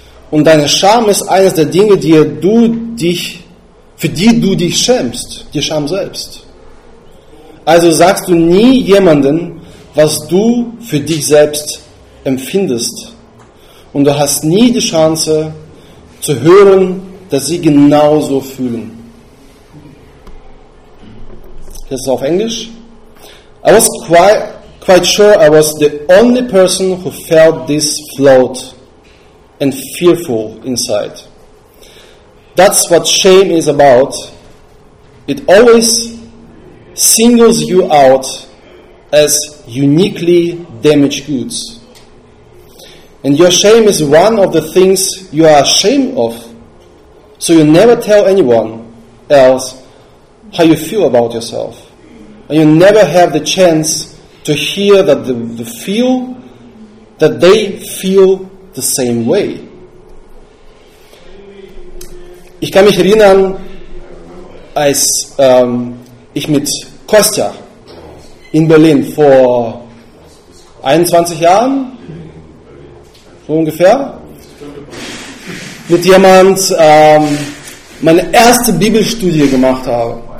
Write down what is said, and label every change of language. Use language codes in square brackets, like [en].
[de] Und deine Scham ist eines der Dinge, für die du dich schämst, die Scham selbst. Also sagst du nie jemandem, was du für dich selbst empfindest. Und du hast nie die Chance zu hören, dass sie genauso fühlen. Das ist auf Englisch. [en] I was quite sure I was the only person who felt this float and fearful inside. That's what shame is about. It always singles you out as uniquely damaged goods. And your shame is one of the things you are ashamed of. So you never tell anyone else how you feel about yourself. And you never have the chance to hear that the feel that they feel the same way. [de] Ich kann mich erinnern, als ich mit Kostja in Berlin vor 21 Jahren, so ungefähr, mit jemandem meine erste Bibelstudie gemacht habe.